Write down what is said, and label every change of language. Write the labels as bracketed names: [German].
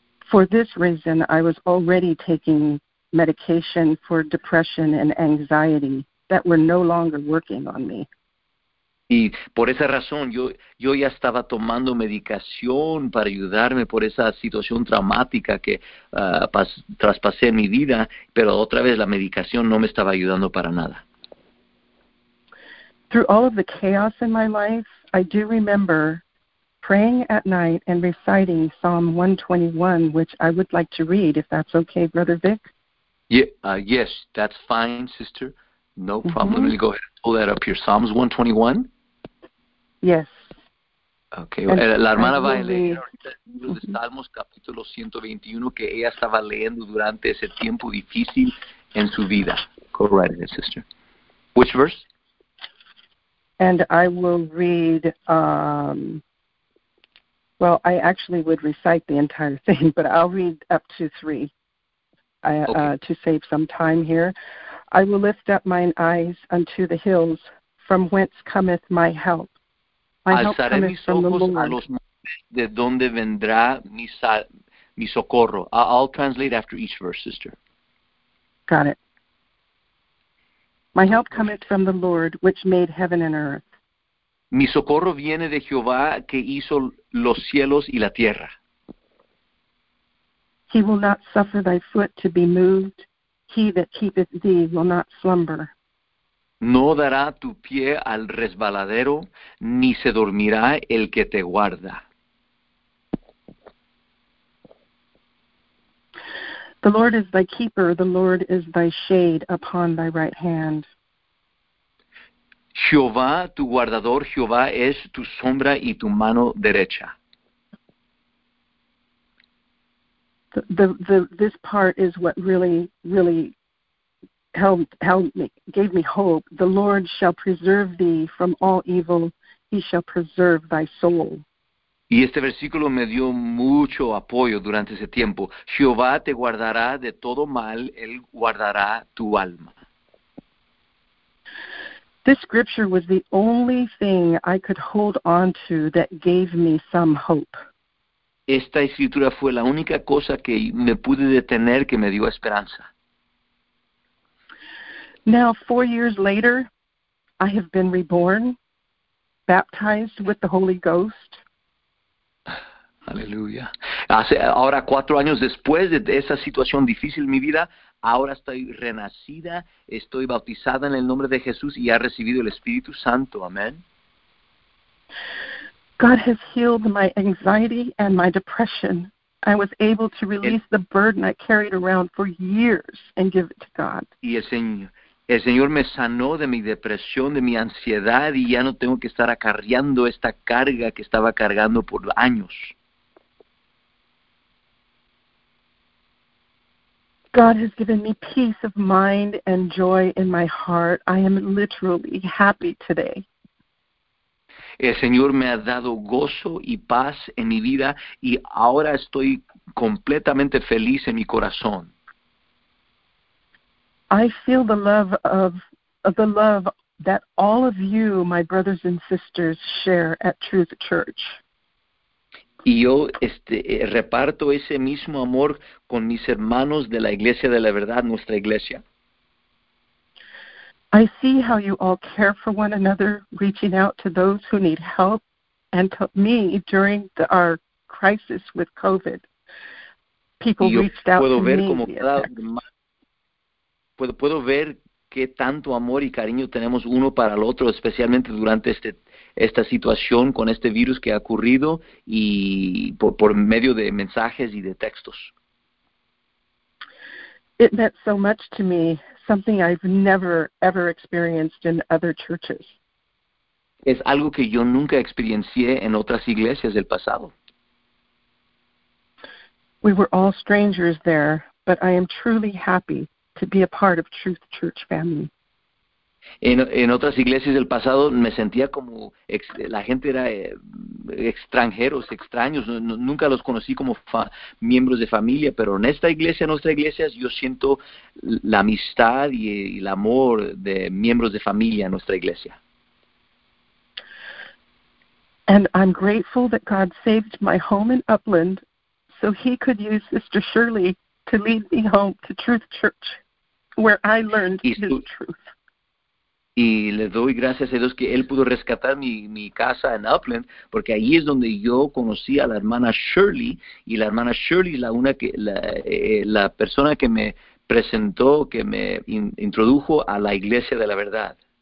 [English] For this reason, I was already taking medication for depression and anxiety that were no longer working on me. [Spanish] Y por esa razón, yo ya estaba tomando medicación para ayudarme por esa situación traumática que traspasé en mi vida, pero otra vez la medicación no me estaba ayudando para nada. [English] Through all of the chaos in my life, I do remember praying at night and reciting Psalm 121, which I would like to read, if that's okay, Brother Vic. Yes, that's fine, sister. No problem. Mm-hmm. Let me go ahead and pull that up here. Psalms 121? Yes. Okay. And [Spanish] la hermana va a leer ahorita el libro de Salmos, capítulo 121, que ella estaba leyendo durante ese tiempo difícil en su vida. [English] Go right ahead, sister. Which verse? And I will read, I actually would recite the entire thing, but I'll read up to 3. To save some time here. I will lift up mine eyes unto the hills, from whence cometh my help. My alzaré help cometh from the Lord. [Spanish] Alzaré mis ojos a los montes, de donde vendrá mi socorro. [English] I'll translate after each verse, sister. Got it. My help cometh from the Lord, which made heaven and earth. [Spanish] Mi socorro viene de Jehová, que hizo los cielos y la tierra. [English] He will not suffer thy foot to be moved. He that keepeth thee will not slumber. [Spanish] No dará tu pie al resbaladero, ni se dormirá el que te guarda. [English] The Lord is thy keeper. The Lord is thy shade upon thy right hand. [Spanish] Jehová, tu guardador, Jehová es tu sombra y tu mano derecha. [English] This part is what really, really helped me, gave me hope. The Lord shall preserve thee from all evil. He shall preserve thy soul. [Spanish] Y este versículo me dio mucho apoyo durante ese tiempo. Jehová te guardará de todo mal. Él guardará tu alma. [English] This scripture was the only thing I could hold on to that gave me some hope. [Spanish] Esta escritura fue la única cosa que me pude detener que me dio esperanza. [English] Now, 4 years later, I have been reborn, baptized with the Holy Ghost. [Spanish] Aleluya. Ahora, 4 años después de esa situación difícil en mi vida, ahora estoy renacida, estoy bautizada en el nombre de Jesús y ha recibido el Espíritu Santo. Amén. [English] God has healed my anxiety and my depression. I was able to release the burden I carried around for years and give it to God. [Spanish] Y el Señor me sanó de mi depresión, de mi ansiedad, y ya no tengo que estar acarreando esta carga que estaba cargando por años. [English] God has given me peace of mind and joy in my heart. I am literally happy today. [Spanish] El Señor me ha dado gozo y paz en mi vida y ahora estoy completamente feliz en mi corazón. [English] I feel the love that all of you, my brothers and sisters, share at Truth Church. [Spanish] Y yo reparto ese mismo amor con mis hermanos de la Iglesia de la Verdad, nuestra iglesia. [English] I see how you all care for one another, reaching out to those who need help, and to me during our crisis with COVID. People reached out to me. [Spanish] Puedo ver qué tanto amor y cariño tenemos uno para el otro, especialmente durante esta situación con este virus que ha ocurrido y por medio de mensajes y de textos. [English] It meant so much to me, something I've never, ever experienced in other churches. [Spanish] Es algo que yo nunca experiencié en otras iglesias del pasado. [English] We were all strangers there, but I am truly happy to be a part of Truth Church family. [Spanish] En otras iglesias del pasado me sentía como la gente era extranjeros, extraños, nunca los conocí como miembros de familia, pero en esta iglesia, en nuestra iglesia, yo siento la amistad y el amor de miembros de familia en nuestra iglesia. [English] And I'm grateful that God saved my home in Upland so he could use Sister Shirley to lead me home to Truth Church, where I learned his truth. [Spanish] Y le doy gracias a Dios que él pudo rescatar mi casa en Upland, porque ahí es donde yo conocí a la hermana Shirley, y la hermana Shirley es la persona que me presentó, que me introdujo a la Iglesia de la Verdad.